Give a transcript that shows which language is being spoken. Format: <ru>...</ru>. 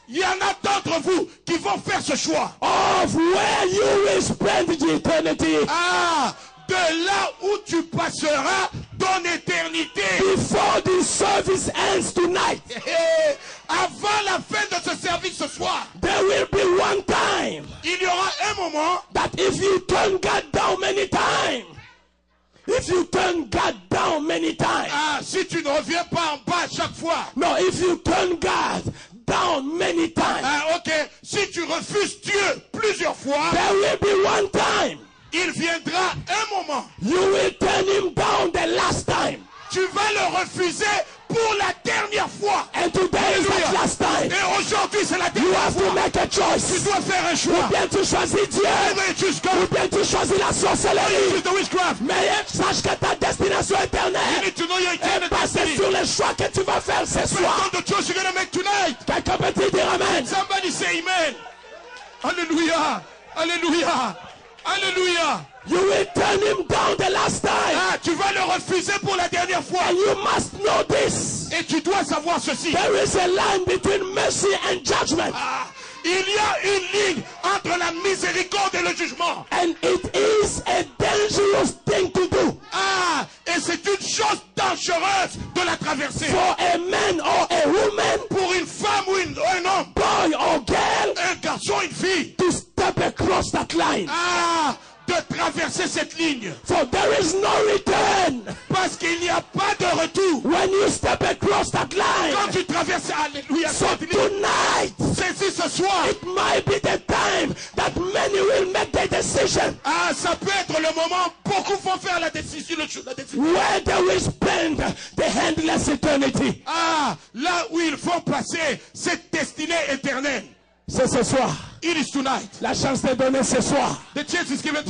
<fr>Il y en a d'entre vous qui vont faire ce choix.</fr> <en>Of where you will spend the eternity.</en> <fr>De là où tu passeras ton éternité.</fr> <en>Before the service ends tonight.</en> <fr>Avant la fin de ce service ce soir.</fr> <en>There will be one time.</en> <fr>Il y aura un moment.</fr> <en>That if you turn God down many times. If you turn God down many times.</en> <fr>Ah, si tu ne reviens pas en bas chaque fois.</fr> <en>No, if you turn God down many times.</en> <fr>Ah, okay. Si tu refuses Dieu plusieurs fois.</fr> <en>There will be one time.</en> <fr>Il viendra un moment.</fr> <en>You will turn him down the last time.</en> <fr>Tu vas le refuser pour la dernière fois.</fr> <en>And today is the last time.</en> <fr>Et aujourd'hui c'est la dernière</fr> <en>fois. You have</en> <fr>fois.</fr> <en>To make a choice.</en> <fr>Tu dois faire un choix. Ou bien tu choisis Dieu. Ou bien tu choisis la sorcellerie. Oh, mais sache que ta destination éternelle.</fr> <en>You need to know your eternal destiny.</en> <fr>Est basée sur les choix que tu vas faire ce soir.</fr> <en>The choice you're gonna make tonight.</en> <fr>Quelqu'un peut-il dire amen?</fr> <en>Somebody say amen. Alléluia. Alléluia. Alléluia. You will turn him down the last time.</en> <fr>Ah, tu vas le refuser pour la dernière fois.</fr> <en>And you must know this.</en> <fr>Et tu dois savoir ceci.</fr> <en>There is a line between mercy and judgment.</en> <fr>Ah, il y a une ligne entre la miséricorde et le jugement.</fr> <en>And it is a dangerous thing to do.</en> <fr>Ah, et c'est une chose dangereuse de la traverser.</fr> <en>For a man or a woman,</en> <fr>pour une femme ou un homme,</fr> <en>boy or girl,</en> <fr>un garçon ou une fille,</fr> <en>to step across that line.</en> <fr>Ah, de traverser cette ligne.</fr> <en>For there is no return.</en> <fr>Parce qu'il n'y a pas de retour.</fr> <en>When you step across that line.</en> <fr>Quand tu traverses, alléluia.</fr> <en>So tonight.</en> <fr>Ceci ce soir.</fr> <en>It might be the time that many will make the decision.</en> <fr>Ah, ça peut être le moment où beaucoup vont faire la décision. La décision.</fr> <en>Where they will spend the endless eternity.</en> <fr>Ah, là où ils vont passer cette destinée éternelle. C'est ce soir.</fr> <en>It is tonight.</en> <fr>La chance est donnée ce soir.</fr> <en>The chance is given to</en>